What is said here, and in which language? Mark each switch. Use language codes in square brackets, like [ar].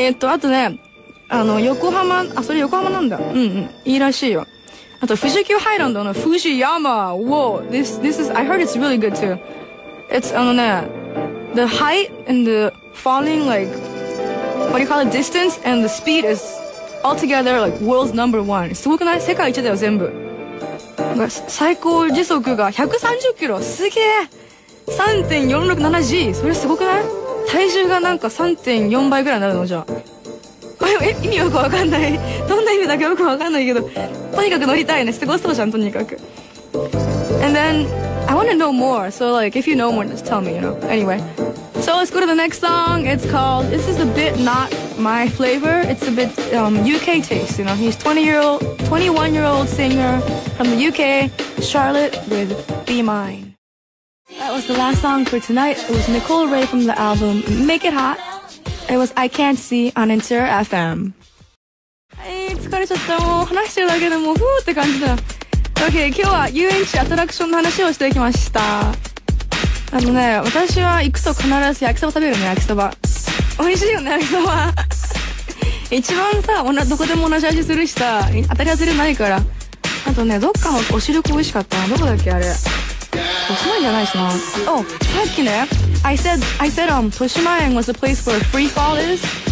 [ja] あとね、横浜、あ、それ横浜なんだ。うんうん。いいらしいよ。あと、富士急ハイランドの富士山。 [en] Whoa, this is, I heard it's really good too. It's, the height and the falling, like, what do you call it, distance and the speed is altogether like world's number one. [ja] すごくない?世界一だよ、全部。最高時速が130キロ。すげえ3.467G! それすごくない? 体重がなんか 3.4 倍ぐらいになるのじゃあ。え、意味よくわかんない。どんな意味だかよくわかんないけど。とにかく乗りたいね。すごそうじゃん、とにかく。 [en] And then, I wanna know more. So like, if you know more, just tell me, you know. Anyway. So let's go to the next song. It's called, this is a bit not my flavor. It's a bit, UK taste, you know. He's 21-year-old singer from the UK, Charlotte with Be Mine. That was the last song for tonight. It was Nicole Ray from the album Make It Hot. It was I Can't See on Inter FM. Hey, [ja] 疲れちゃった。もう話してるだけでもうふーって感じだ。Okay, 今日は遊園地アトラクションの話をしていきました。ね、私は行くと必ず焼きそば食べるね、焼きそば。美味しいよね、焼きそば。一番さ、どこでも同じ味するしさ、当たり外れないから。あとね、どっかのお汁粉美味しかったな。どこだっけ、あれ。 [en] Oh, I said, Toshimaen was the place where free fall is.